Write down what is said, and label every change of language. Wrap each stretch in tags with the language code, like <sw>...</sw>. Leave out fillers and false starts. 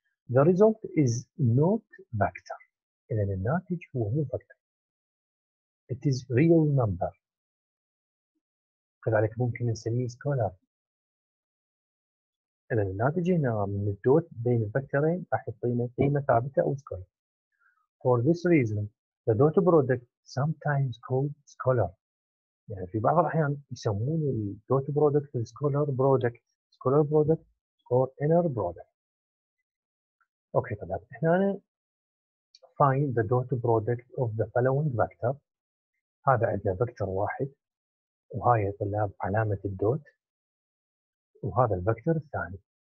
<en>The result is not vector.</en> <ar>إذن الناتج هو مو</ar> <en>vector. It is real number.</en> <ar>كذلك ممكن نسميه</ar> <en>scalar.</en> <ar>إذن الناتج هنا من الدوت بين الفكتورين راح يعطينا قيمة ثابتة أو scalar.</ar> <en>For this reason, the dot product sometimes called scalar.</en> <ar>يعني في بعض الأحيان يسمون الدوت برودكت scalar product.</ar> <en>Scalar product or inner product.</en> <ar>اوكي طلاب، احنا انا</ar> <en>find the dot product of the following vector.</en> <ar>هذا عندنا فيكتور واحد وهاي طلاب علامه الدوت وهذا الفيكتور الثاني.</ar>